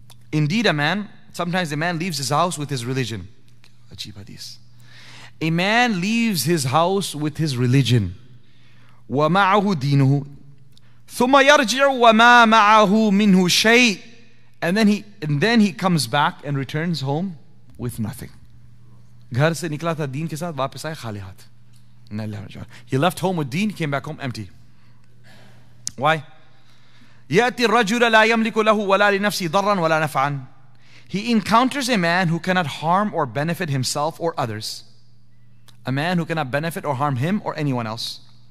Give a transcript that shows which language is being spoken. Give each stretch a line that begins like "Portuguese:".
English: Indeed, a man, sometimes a man leaves his house with his religion.
Arabic: Ajib hadith.
English: A man leaves his house with his religion.
Arabic: Wa ma'ahu dinuhu. Thumma yarji'u wa ma ma'ahu minhu shay.
English: And then he comes back and returns home with nothing.
Urdu: घर से निकला था दीन के साथ, वापिस आया खाली हाथ।
English: He left home with deen, came back home empty. Why?
Arabic: يَأْتِ الرَّجُلَ لَا يَمْلِكُ لَهُ وَلَا لِنَفْسِهِ ضَرًّا وَلَا نَفْعًا.
English: He encounters a man who cannot harm or benefit himself or others. A man who cannot benefit or harm him or anyone else.